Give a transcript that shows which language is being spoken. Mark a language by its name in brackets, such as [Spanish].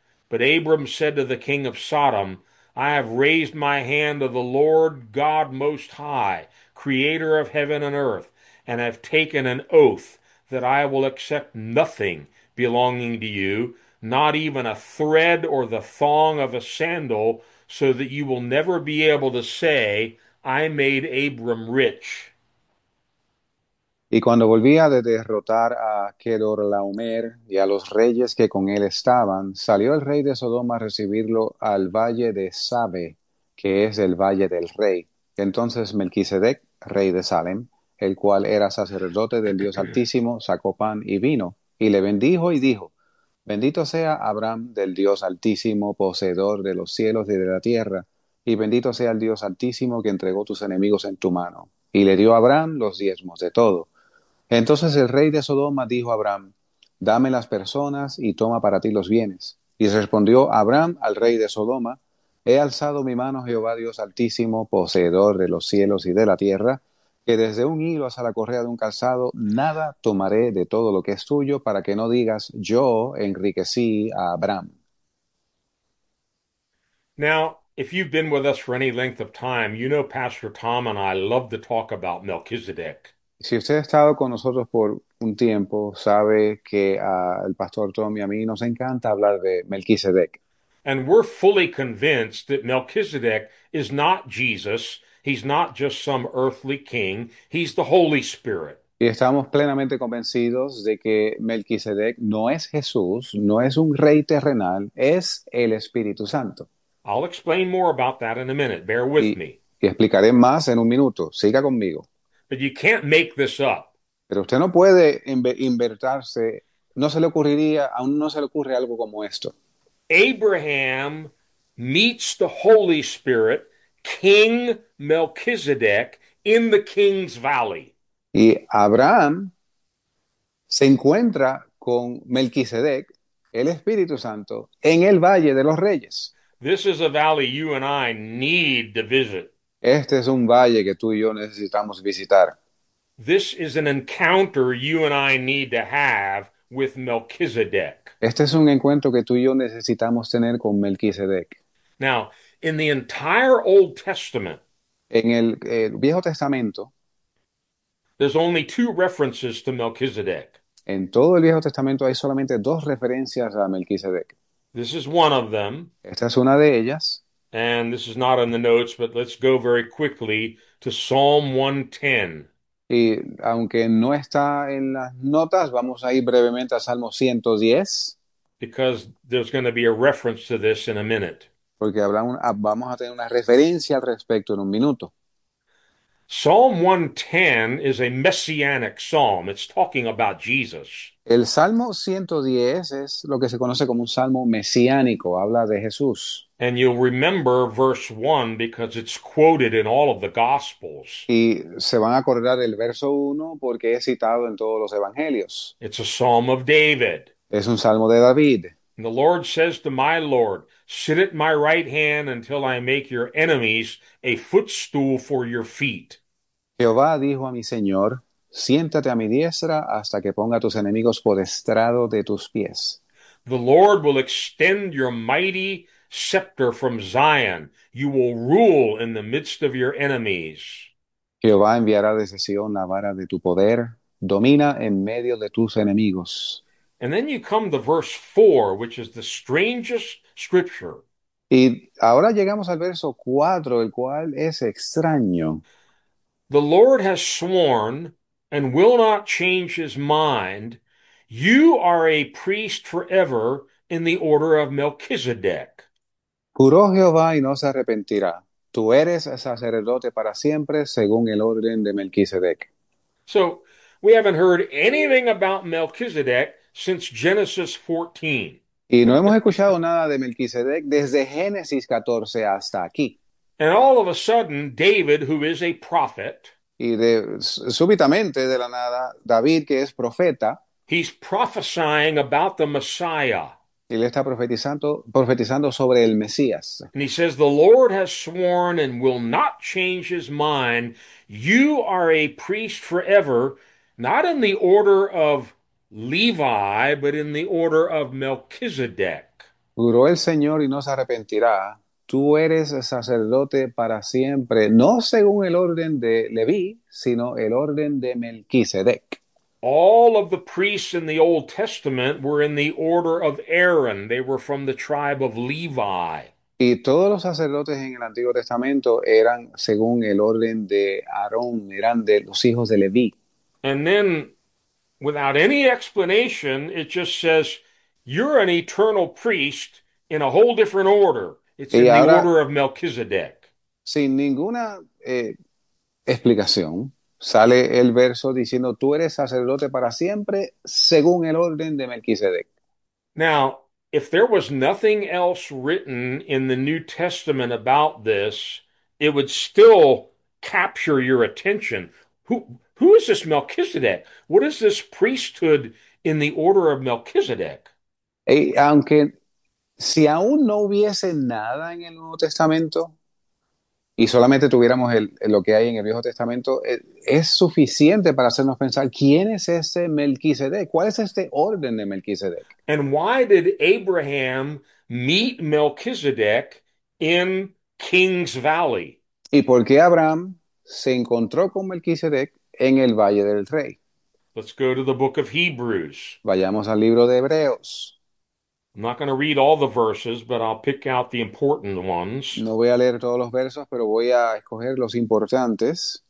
[English] But Abram said to the king of Sodom, "I have raised my hand to the Lord God Most High, creator of heaven and earth, and have taken an oath that I will accept nothing belonging to you, not even a thread or the thong of a sandal, so that you will never be able to say, 'I made Abram rich.'" [Spanish] Y cuando volvía de derrotar a Kedorlaomer y a los reyes que con él estaban, salió el rey de Sodoma a recibirlo al valle de Sabe, que es el valle del rey. Entonces Melquisedec, rey de Salem, el cual era sacerdote del Dios Altísimo, sacó pan y vino, y le bendijo y dijo: Bendito sea Abraham del Dios Altísimo, poseedor de los cielos y de la tierra, y bendito sea el Dios Altísimo que entregó tus enemigos en tu mano. Y le dio a Abraham los diezmos de todo. Entonces el rey de Sodoma dijo a Abraham: Dame las personas y toma para ti los bienes. Y respondió Abraham al rey de Sodoma: He alzado mi mano a Jehová Dios Altísimo, poseedor de los cielos y de la tierra, que desde un hilo hasta la correa de un calzado nada tomaré de todo lo que es tuyo, para que no digas: Yo enriquecí a Abraham. [English] Now, if you've been with us for any length of time, you know Pastor Tom and I love to talk about Melchizedek. [Spanish] Si usted ha estado con nosotros por un tiempo, sabe que el pastor Tom y a mí nos encanta hablar de Melquisedec. [English] And we're fully convinced that Melchizedek is not Jesus. He's not just some earthly king. He's the Holy Spirit. [Spanish] Y estamos plenamente convencidos de que Melquisedec no es Jesús, no es un rey terrenal, es el Espíritu Santo. [English] I'll explain more about that in a minute. Bear with [Spanish] Y [English] me. [Spanish] explicaré más en un minuto. Siga conmigo. [English] But you can't make this up. [Spanish] Pero usted no puede invertirse, no se le ocurriría, aún no se le ocurre algo como esto. [English] Abraham meets the Holy Spirit, King Melchizedek, in the King's Valley. [Spanish] Y Abraham se encuentra con Melquisedec, el Espíritu Santo, en el Valle de los Reyes. [English] This is a valley you and I need to visit. [Spanish] Este es un valle que tú y yo necesitamos visitar. [English] This is an encounter you and I need to have with Melchizedek. [Spanish] Este es un encuentro que tú y yo necesitamos tener con Melquisedec. [English] Now, in the entire Old Testament, [Spanish] En el Viejo Testamento, [English] there's only two references to Melchizedek. [Spanish] en todo el Viejo Testamento hay solamente dos referencias a Melquisedec. [English] This is one of them. [Spanish] Esta es una de ellas. [English] And this is not in the notes, but let's go very quickly to Psalm 110. [Spanish] Y aunque no está en las notas, vamos a ir brevemente a Salmo 110. [English] Because there's going to be a reference to this in a minute. [Spanish] Porque vamos a tener una referencia al respecto en un minuto. [English] Psalm 110 is a messianic psalm. It's talking about Jesus. [Spanish] El Salmo 110 es lo que se conoce como un salmo mesiánico, habla de Jesús. [English] And you'll remember verse 1 because it's quoted in all of the Gospels. [Spanish] Y se van a acordar del verso 1 porque es citado en todos los evangelios. [English] It's a psalm of David. [Spanish] Es un salmo de David. [English] And the Lord says to my Lord, "Sit at my right hand until I make your enemies a footstool for your feet." [Spanish] Jehová dijo a mi Señor: Siéntate a mi diestra hasta que ponga a tus enemigos por estrado de tus pies. [English] The Lord will extend your mighty scepter from Zion. You will rule in the midst of your enemies. [Spanish] Jehová enviará desde Sión la vara de tu poder, domina en medio de tus enemigos. [English] And then you come to verse 4, which is the strangest scripture. [Spanish] Y ahora llegamos al verso 4, el cual es extraño. [English] The Lord has sworn and will not change his mind. You are a priest forever in the order of Melchizedek. [Spanish] Juró Jehová y no se arrepentirá. Tú eres sacerdote para siempre, según el orden de Melquisedec. [English] So, we haven't heard anything about Melchizedek since Genesis 14. [Spanish] Y no hemos escuchado nada de Melquisedec desde Génesis 14 hasta aquí. [English] And all of a sudden, David, who is a prophet, [Spanish] Y súbitamente, de la nada, David, que es profeta, [English] he's prophesying about the Messiah. [Spanish] Él está profetizando sobre el Mesías. [English] And he says, "The Lord has sworn and will not change his mind. You are a priest forever, not in the order of Levi, but in the order of Melchizedek." [Spanish] Juró el Señor y no se arrepentirá. Tú eres sacerdote para siempre, no según el orden de Leví, sino el orden de Melquisedec. [English] All of the priests in the Old Testament were in the order of Aaron. They were from the tribe of Levi. [Spanish] Y todos los sacerdotes en el Antiguo Testamento eran según el orden de Aarón, eran de los hijos de Leví. [English] And then, without any explanation, it just says, you're an eternal priest in a whole different order. It's [Spanish] Y [English] in the [Spanish] ahora, [English] order of Melchizedek. [Spanish] sin ninguna explicación, sale el verso diciendo, tú eres sacerdote para siempre según el orden de Melquisedec. [English] Now, if there was nothing else written in the New Testament about this, it would still capture your attention. Who is this Melchizedek? What is this priesthood in the order of Melchizedek? [Spanish] Y aunque si aún no hubiese nada en el Nuevo Testamento y solamente tuviéramos lo que hay en el Viejo Testamento, es suficiente para hacernos pensar, ¿quién es ese Melquisedec? ¿Cuál es este orden de Melquisedec? [English] And why did Abraham meet Melchizedek in King's Valley? [Spanish] ¿Y por qué Abraham se encontró con Melquisedec en el Valle del Rey? [English] Let's go to the book of Hebrews. [Spanish] Vayamos al libro de Hebreos. [English] I'm not going to read all the verses, but I'll pick out the important ones. [Spanish] No voy a leer todos los versos, pero voy a escoger los importantes.